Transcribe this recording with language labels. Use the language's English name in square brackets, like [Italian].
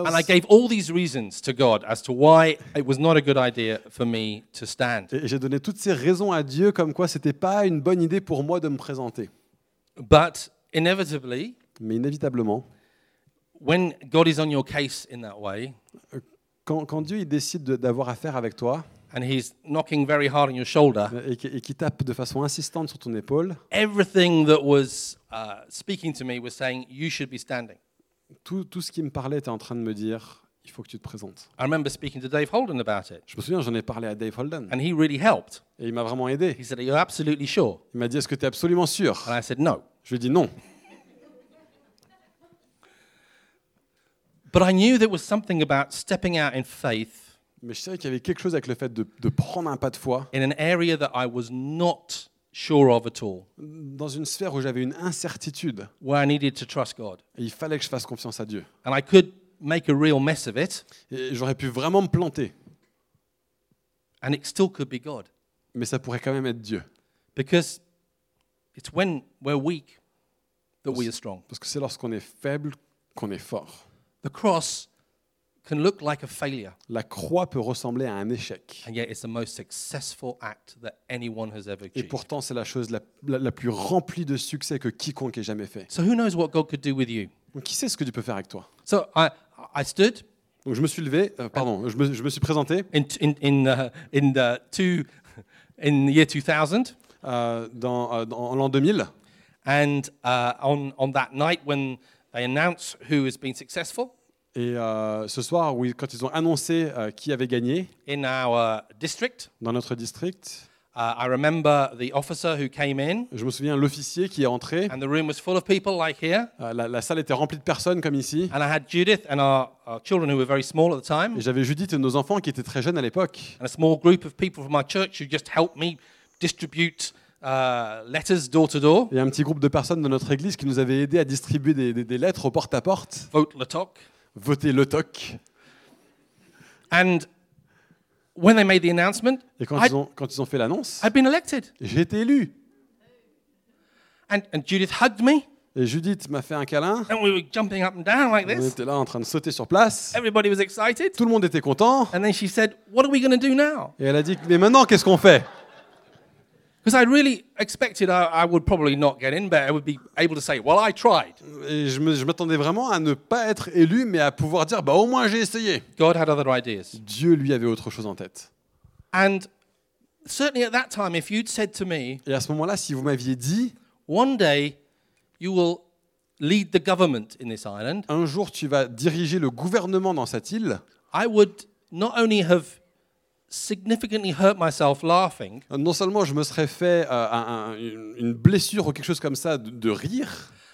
[English] And I gave all these reasons to God as to why it was not a good idea for me to stand. [French] Et j'ai donné toutes ces raisons à Dieu comme quoi c'était pas une bonne idée pour moi de me présenter. [English] But inevitably, [French] mais inévitablement, [English] when God is on your case in that way, [French] Quand Dieu il décide d'avoir affaire avec toi, [English] and he's knocking very hard on your shoulder, [French] et qui tape de façon insistante sur ton épaule, [English] everything that was speaking to me was saying you should be standing. [French] Tout ce qui me parlait était en train de me dire il faut que tu te présentes. [English] I remember speaking to Dave Holden about it. [French] Je me souviens, j'en ai parlé à Dave Holden. [English] And he really helped. [French] Et il m'a vraiment aidé. [English] He said, "Are you absolutely sure?" [French] Il m'a dit, est-ce que tu es absolument sûr? [English] And I said, no. [French] Je lui ai dit non. [English] But I knew there was something about stepping out in faith. [French] Mais je savais qu'il y avait quelque chose avec le fait de prendre un pas de foi. [English] In an area that I was not sure of at all. [French] Dans une sphère où j'avais une incertitude. [English] Where I needed to trust God. [French] Et il fallait que je fasse confiance à Dieu. [English] And I could make a real mess of it. [French] Et j'aurais pu vraiment me planter. [English] And it still could be God. [French] Mais ça pourrait quand même être Dieu. [English] Because it's when we're weak that we are strong. [French] Parce que c'est lorsqu'on est faible qu'on est fort. [English] The cross can look like a failure. [French] La croix peut ressembler à un échec. [English] And yet it's the most successful act that anyone has ever achieved. [French] Et pourtant c'est la chose la plus remplie de succès que quiconque ait jamais fait. [English] So who knows what God could do with you? [French] Donc, qui sait ce que Dieu peut faire avec toi? [English] So I stood. [French] Donc je me suis levé, je me suis présenté. [English] In the year 2000. [French] Dans l'an 2000. [English] And on that night when they announce who has been successful. [French] Et ce soir, oui, quand ils ont annoncé qui avait gagné. [English] In our district. [French] Dans notre district. [English] I remember the officer who came in. [French] Je me souviens l'officier qui est entré. [English] And the room was full of people, like here. [French] La salle était remplie de personnes comme ici. [English] And I had Judith and our children who were very small at the time. [French] Et j'avais Judith et nos enfants qui étaient très jeunes à l'époque. [English] And a small group of people from our church who just helped me distribute. Letters door to door. [French] Il y a un petit groupe de personnes de notre église qui nous avaient aidé à distribuer des lettres au porte à porte. Vote le toc. Votez le toc. [English] And when they made the announcement, [French] et quand ils ont fait l'annonce, [English] I'd been elected. [French] J'ai été élu. [English] And Judith hugged me. [French] Et Judith m'a fait un câlin. [English] And we were jumping up and down like this. [French] On était là en train de sauter sur place. [English] Everybody was excited. [French] Tout le monde était content. [English] And then she said, "What are we going to do now?" [French] Et elle a dit, mais maintenant qu'est-ce qu'on fait? [English] Because I really expected I would probably not get in, but I would be able to say, "Well, I tried." [French] Et je m'attendais vraiment à ne pas être élu, mais à pouvoir dire, au moins j'ai essayé. [English] God had other ideas. [French] Dieu lui avait autre chose en tête. [English] And certainly at that time, if you'd said to me, [French] et à ce moment-là, si vous m'aviez dit, [English] one day you will lead the government in this island. [French] Un jour, tu vas diriger le gouvernement dans cette île. [English] I would not only have significantly hurt myself laughing. [French] Non seulement je me serais fait une blessure ou quelque chose comme ça de rire.